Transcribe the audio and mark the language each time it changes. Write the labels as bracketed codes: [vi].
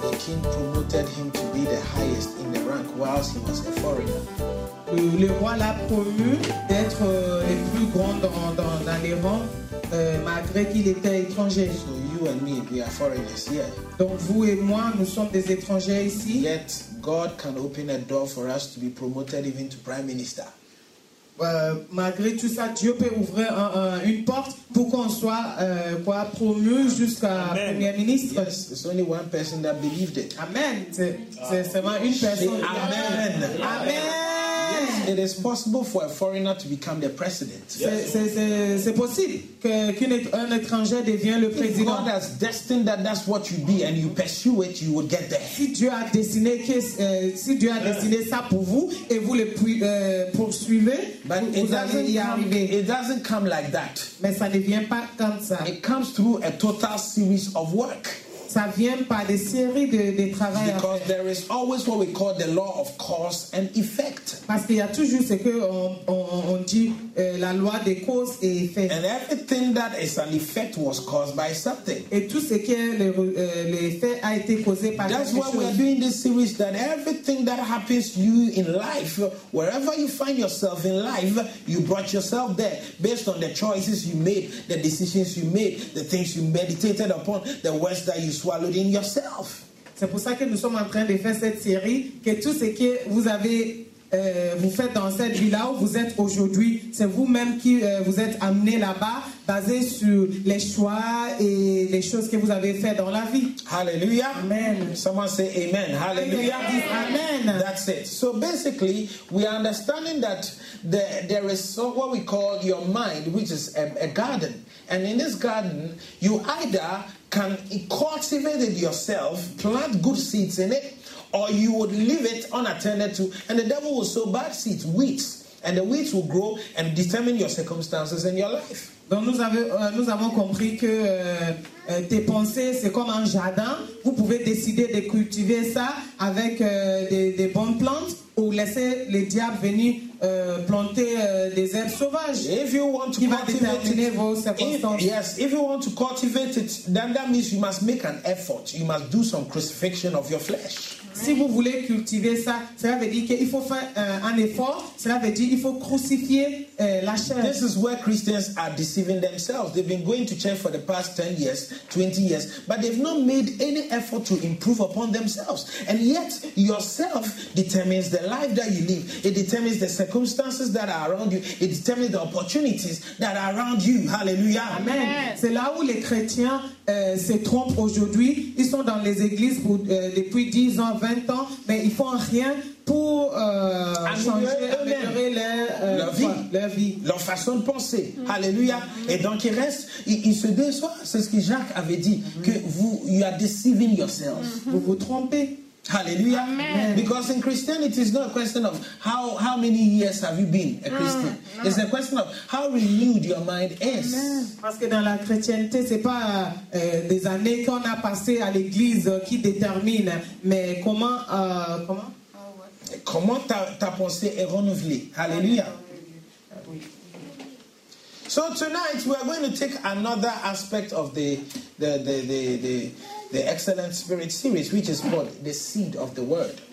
[en] The king promoted him to be the highest in the rank whilst he was a foreigner. [fr] Le roi l'a promu d'être le plus grand dans les rangs malgré qu'il était étranger. [en] So you and me, we are foreigners here. [fr] Donc vous et moi, nous sommes des étrangers ici. [en] Yet God can open a door for us to be promoted even to prime minister. [fr] Malgré tout ça, Dieu peut ouvrir une porte pour qu'on soit promu jusqu'à premier ministre. [en] Yes, it's only one person that believed it. [fr] Amen. C'est seulement une personne. Amen. Amen. [en] It is possible for a foreigner to become the president. [fr] C'est possible qu'un étranger devienne le président. [en] If God has destined that that's what you be and you pursue it, you will get there. [fr] Si Dieu a destiné ça pour vous et vous le poursuivez, [en] but it doesn't come like that. [fr] Mais ça ne vient pas comme ça. [en] It comes through a total series of work. [fr] Ça vient par des séries de travail. [en] Because there is always what we call the law of cause and effect. [fr] Parce qu'il y a toujours ce que on dit la loi des causes et effets. [en] And everything that is an effect was caused by something. [fr] Et tout ce qui est l'effet a été causé par quelque chose. [en] That's why we are doing this series, that everything that happens to you in life, wherever you find yourself in life, you brought yourself there based on the choices you made, the decisions you made, the things you meditated upon, the words that you swallowed in yourself. [fr] C'est pour ça que nous sommes en train de faire cette série, que tout ce que vous avez vous faites dans cette vie là où vous êtes aujourd'hui, c'est vous-même qui vous êtes amené là-bas basé sur les choix et les choses que vous avez fait dans la vie. Hallelujah. Amen. [en] Someone say amen. Hallelujah. Amen. That's it. So basically, we are understanding that there is what we call your mind, which is a garden. And in this garden, you either can cultivate it yourself, plant good seeds in it, or you would leave it unattended to, and the devil will sow bad seeds, weeds, and the weeds will grow and determine your circumstances in your life. [fr] Donc nous avons compris que tes pensées, c'est comme un jardin. Vous pouvez décider de cultiver ça avec des bonnes plantes ou laisser les diables venir planter des herbes sauvages. [en] If you want to [fr] qui va déterminer vos circonstances. [en] If you want to cultivate it, then that means you must make an effort. You must do some crucifixion of your flesh. [fr] Si vous voulez cultiver ça, cela veut dire qu'il faut faire un effort. Cela veut dire qu'il faut crucifier la chair. [en] This is where Christians are deceiving themselves. They've been going to church for the past 10 years, 20 years, but they've not made any effort to improve upon themselves. And yet, yourself determines the life that you live. It determines the circumstances that are around you. It determines the opportunities that are around you. Hallelujah. Amen. [fr] C'est là où les chrétiens se trompent aujourd'hui. Ils sont dans les églises depuis 10 ans, 20 ans, mais ils font rien pour améliorer leur vie, leur façon de penser. Mm-hmm. Alléluia. Mm-hmm. Et donc il se déçoit. C'est ce que Jacques avait dit, mm-hmm. que vous, [en] you are deceiving yourself. [fr] Mm-hmm. Vous vous trompez. Hallelujah. Amen. [en] Because in Christianity, it's not a question of how many years have you been a Christian. No. It's a question of how renewed your mind is. [fr] Parce que dans la chrétienté, c'est pas des années qu'on a passé à l'église qui détermine, mais comment ta pensée est renouvelée. Hallelujah. [en] So tonight we are going to take another aspect of the excellent spirit series, which is called the seed of the word.